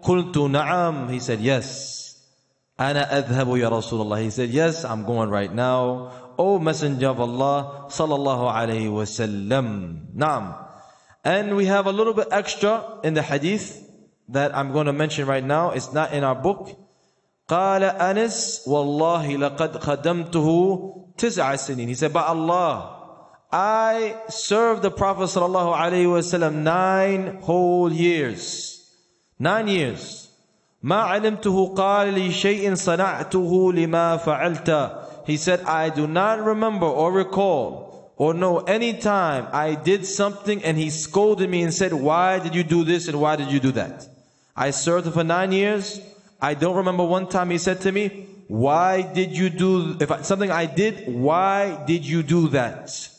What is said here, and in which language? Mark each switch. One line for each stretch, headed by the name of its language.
Arabic: قُلْتُ نَعَمْ.
English: He said, yes.
Arabic: أَنَا أَذْهَبُ يَا رَسُولَ اللَّهِ.
English: He said, yes, I'm going right now. Oh, Messenger of Allah, صلى الله عليه وسلم.
Arabic: نعم.
English: And we have a little bit extra in the hadith that I'm going to mention right now. It's not in our book.
Arabic: قال أنس والله لقد خدمته تسع سنين.
English: He said, by Allah, I served the Prophet صلى الله عليه وسلم 9 whole years. 9 years.
Arabic: ما علمته قال لي شيء صنعته لما فعلت.
English: He said, I do not remember or recall or know any time I did something and he scolded me and said, why did you do this and why did you do that? I served him for 9 years. I don't remember one time he said to me, why did you do, if I, something I did, why did you do that?